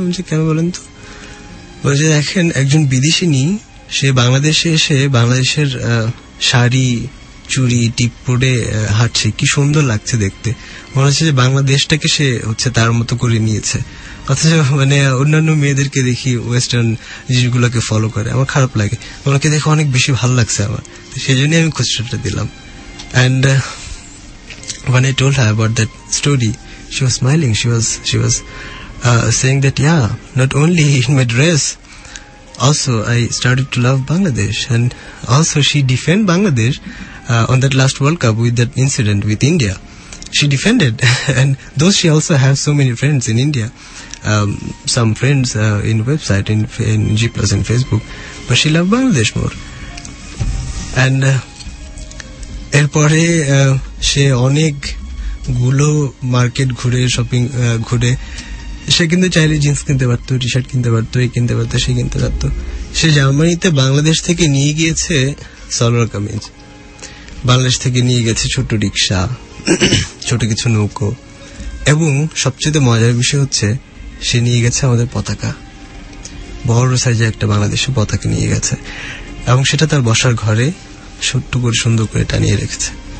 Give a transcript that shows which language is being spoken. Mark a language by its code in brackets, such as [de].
[bn] আমি যে কেন বলেন তো, বলছে দেখেন একজন বিদেশিনী সে বাংলাদেশে এসে বাংলাদেশের শাড়ি চুড়ি টিপ পরে হাঁটছে, কি সুন্দর লাগছে দেখতে, মনে হচ্ছে যে বাংলাদেশটাকে সে হচ্ছে তার মতো করে নিয়েছে। অথচ মানে অন্যান্য মেয়েদেরকে দেখি ওয়েস্টার্ন জিনিসগুলোকে ফলো করে, আমার খারাপ লাগে, ওনাকে দেখে অনেক বেশি ভালো লাগছে আমার। সেই জন্যই আমি খুচরোটা দিলাম। [en] And when I told her about that story, she was smiling, she was saying that yeah, not only in my dress, also I started to love Bangladesh, and also she defended Bangladesh on that last World Cup with that incident with India. She defended, and though she also has so many friends in India, some friends in website, in G Plus and Facebook, but she loved Bangladesh more. [bn] And erpore she onek gulo market ghure, shopping ghure, সে কিন্তু চাইলে jeans কিনতে পারতো, T shirt কিনতে পারতো, এই কিনতে পারতো, সে কিনতে পারতো। সে জার্মানিতে বাংলাদেশ থেকে নিয়ে গিয়েছে সালোয়ার কামিজ, বাংলাদেশ থেকে নিয়ে গেছে ছোট রিক্সা, ছোট কিছু নৌকো, এবং সবচেয়ে মজার বিষয় হচ্ছে সে নিয়ে গেছে আমাদের পতাকা, বড় সাইজে একটা বাংলাদেশের পতাকা নিয়ে গেছে, এবং সেটা তার বসার ঘরে ছোট্ট করে সুন্দর করে টানিয়ে রেখেছে।